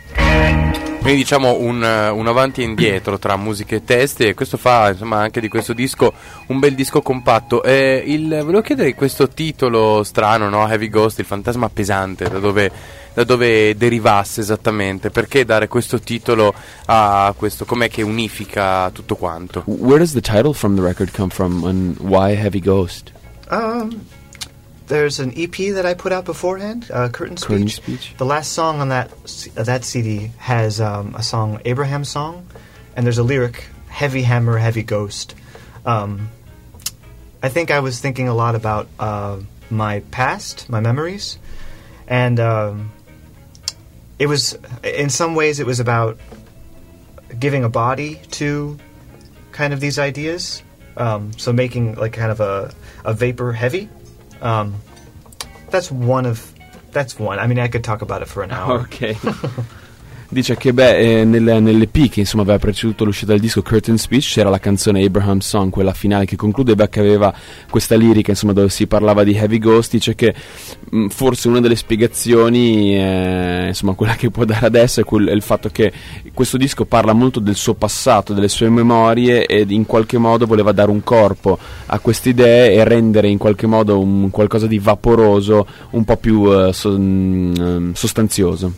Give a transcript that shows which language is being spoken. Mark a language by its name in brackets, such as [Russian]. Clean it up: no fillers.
[Italian] Quindi diciamo un avanti e indietro tra musica e testi, e questo fa, insomma, anche di questo disco un bel disco compatto. E volevo chiedere questo titolo strano, no? Heavy Ghost, il fantasma pesante, da dove derivasse esattamente? Perché dare questo titolo a questo? Com'è che unifica tutto quanto? [English] Where does the title from the record come from, and why Heavy Ghost? There's an EP that I put out beforehand, Curtain Speech. The last song on that CD has a song, Abraham's Song, and there's a lyric, Heavy Hammer, Heavy Ghost. I think I was thinking a lot about my past, my memories, and it was, in some ways, it was about giving a body to kind of these ideas, so making like kind of a vapor heavy. That's one. I mean, I could talk about it for an hour. Okay. [Italian] Dice che nell'EP che, insomma, aveva preceduto l'uscita del disco, Curtain Speech, c'era la canzone Abraham's Song, quella finale che concludeva, che aveva questa lirica, insomma, dove si parlava di Heavy Ghost. Dice che forse una delle spiegazioni, insomma, quella che può dare adesso è il fatto che questo disco parla molto del suo passato, delle sue memorie, e in qualche modo voleva dare un corpo a queste idee e rendere in qualche modo un qualcosa di vaporoso, un po' più sostanzioso,